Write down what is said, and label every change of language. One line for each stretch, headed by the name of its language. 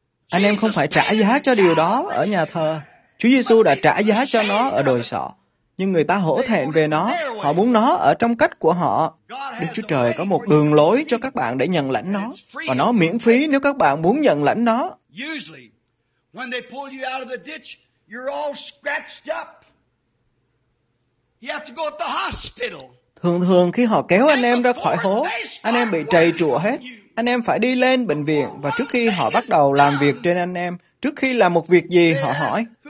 Vietnamese: Anh em không phải trả giá cho điều đó ở nhà thờ. Chúa Giêsu đã trả giá cho nó ở đồi sọ. Nhưng người ta hổ thẹn về nó. Họ muốn nó ở trong cách của họ. Đức Chúa Trời có một đường lối cho các bạn để nhận lãnh nó. Và nó miễn phí nếu các bạn muốn nhận lãnh nó.
English: Usually, when they pull you out of the ditch, you're all scratched up. You have to go to the hospital.
Vietnamese: Thường thường khi họ kéo anh em ra khỏi hố, anh em bị trầy trụa hết. Anh em phải đi lên bệnh viện và trước khi họ bắt đầu làm việc trên anh em, trước khi làm một việc gì họ hỏi.